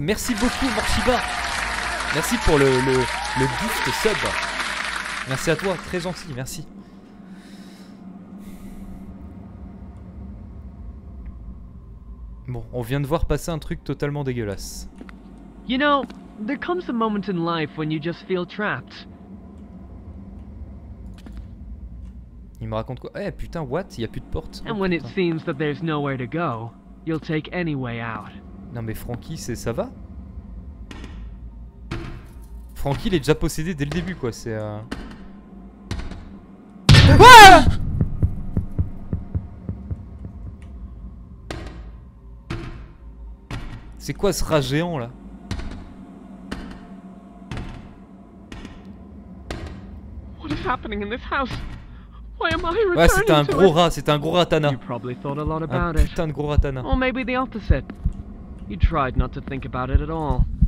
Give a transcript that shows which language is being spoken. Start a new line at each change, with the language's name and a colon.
French: Merci beaucoup Morshiba. Merci pour le gift sub. Merci à toi, très gentil, merci. Bon, on vient de voir passer un truc totalement dégueulasse.
English: You know, there comes a moment in life when you just feel trapped.
French: Il me raconte quoi? Eh hey, putain, what? Il y a plus de porte.
English: And when it seems that there's nowhere to go, you'll take any way out.
French: Non mais Franky, c'est ça va? Franky, il est déjà possédé dès le début quoi, c'est Ah! C'est quoi ce rat géant là?
English: What is happening in this house?
French: Ouais, c'était un gros ratana. Putain de gros ratana.
English: Or maybe the opposite. You tried not to think about it at all.